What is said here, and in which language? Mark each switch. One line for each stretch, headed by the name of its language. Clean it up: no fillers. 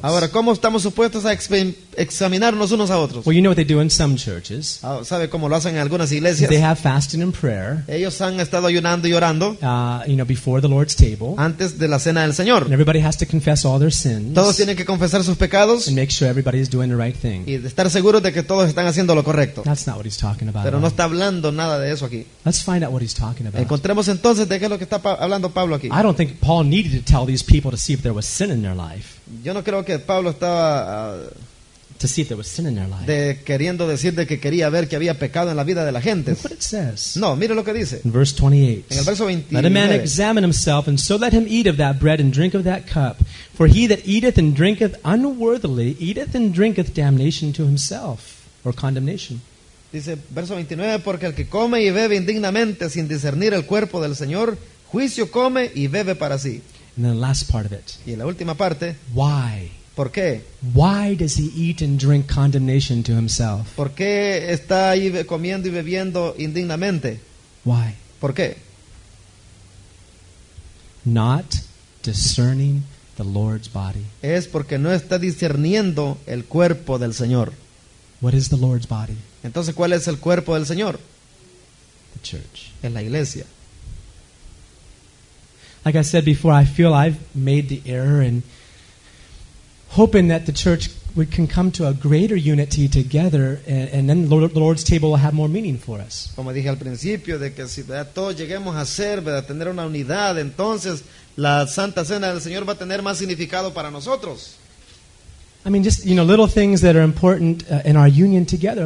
Spanish: Ahora, ¿cómo estamos supuestos a examinarnos unos a otros?
English: Well, you know what they do in some churches.
Spanish: ¿Sabe cómo lo hacen en algunas iglesias?
English: They have fasting and prayer.
Spanish: Ellos han estado ayunando y orando.
English: You know, before the Lord's table.
Spanish: Antes de la cena del Señor.
English: And everybody has to confess all their sins.
Spanish: Todos tienen que confesar sus pecados.
English: And make sure everybody is doing the right thing.
Spanish: Y estar seguros de que todos están haciendo lo correcto.
English: That's not what he's talking about.
Spanish: Pero no está hablando nada de eso aquí.
English: Let's find out what he's talking about.
Spanish: Encontremos entonces de qué es lo que está hablando Pablo aquí.
English: I don't think Paul needed to tell these people to see if there was sin in their life.
Spanish: Yo no creo que Pablo estaba
English: to see if there was sin in their life.
Spanish: De queriendo decir de que quería ver que había pecado en la vida de la gente.
English: Look what it says.
Spanish: No, mire lo que dice.
English: In verse 28.
Spanish: En el verso 29.
English: Let a man examine himself, and so let him eat of that bread and drink of that cup. For he that eateth and drinketh unworthily eateth and drinketh damnation to himself, or condemnation.
Spanish: Dice verso 29, porque el que come y bebe indignamente sin discernir el cuerpo del Señor juicio come y bebe para sí.
English: And then the last part of it.
Spanish: Y la última parte.
English: Why?
Spanish: ¿Por qué?
English: Why does he eat and drink condemnation to himself?
Spanish: ¿Por qué está ahí comiendo y bebiendo indignamente?
English: Why?
Spanish: ¿Por qué?
English: Not discerning the Lord's body.
Spanish: Es porque no está discerniendo el cuerpo del Señor.
English: What is the Lord's body?
Spanish: Entonces, ¿cuál es el cuerpo del Señor?
English: The church.
Spanish: Es la iglesia.
English: Like I said before, I feel I've made the error in hoping that the church would can come to a greater unity together, and then the Lord's table will have more meaning for us.
Spanish: Como dije al principio, de que si todos lleguemos a ser, a tener una unidad, entonces la Santa Cena del Señor va a tener más significado para nosotros.
English: I mean, just, you know, little things that are important in our union together.